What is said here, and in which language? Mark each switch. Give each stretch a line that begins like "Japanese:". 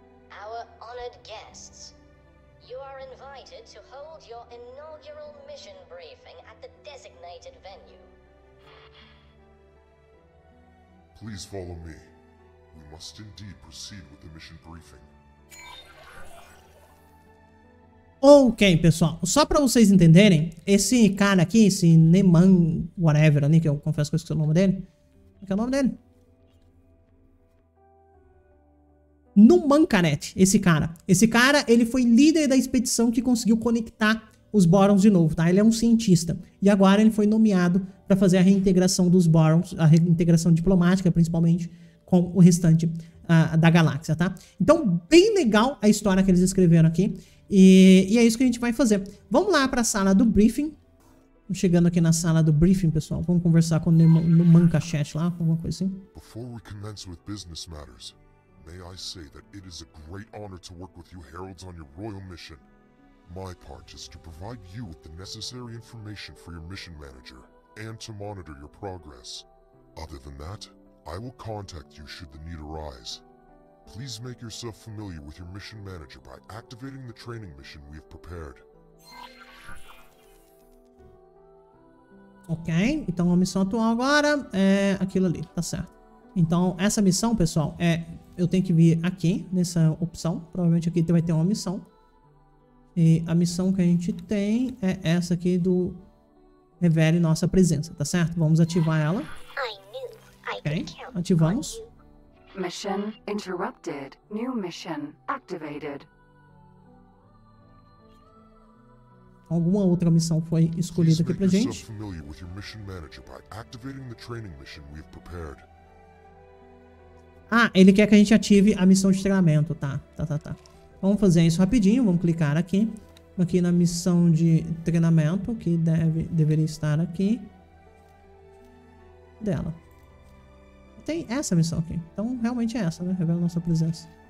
English: Our honored guests, you are invited to hold your inaugural mission briefing at the designated venue. Please follow me. We must indeed proceed with the mission briefing.
Portuguese: Ok, pessoal. Só pra vocês entenderem, esse cara aqui, esse Neman whatever ali, que eu confesso que eu esqueci o nome dele. Qual que é o nome dele? Numancaret, esse cara. Esse cara, ele foi líder da expedição que conseguiu conectar os Borons de novo, tá? Ele é um cientista. E agora ele foi nomeado pra fazer a reintegração dos Borons, a reintegração diplomática, principalmente, com o restante da galáxia, tá? Então, bem legal a história que eles escreveram aqui. E é isso que a gente vai fazer. Vamos lá para a sala do briefing. Chegando aqui na sala do briefing, pessoal. Vamos conversar com o Numancaret lá, alguma coisa assim.
English: Before we commence with business matters, may I say that it is a great honor to work with you heralds on your royal mission. My part is to provide you with the necessary information for your mission manager and to monitor your progress. Other than that, I will contact you should the need arise. Please make yourself familiar with your mission manager by activating the training mission we have prepared.
Portuguese: Ok, então a missão atual agora é aquilo ali, tá certo. Então essa missão, pessoal, é eu tenho que vir aqui nessa opção. Provavelmente aqui vai ter uma missão. E a missão que a gente tem é essa aqui do revele nossa presença, tá certo? Vamos ativar ela. Ok, ativamos.
English: Mission interrupted. New mission activated.
Portuguese: Alguma outra missão foi escolhida aqui pra gente.
English: Familiar with your mission manager by activating the training mission we've prepared.
Portuguese: Ah, ele quer que a gente ative a missão de treinamento. Tá. Vamos fazer isso rapidinho. Vamos clicar aqui. Aqui na missão de treinamento, que deveria estar aqui. Dela. Tem essa missão aqui. Então, realmente é essa, né? Revela nossa presença.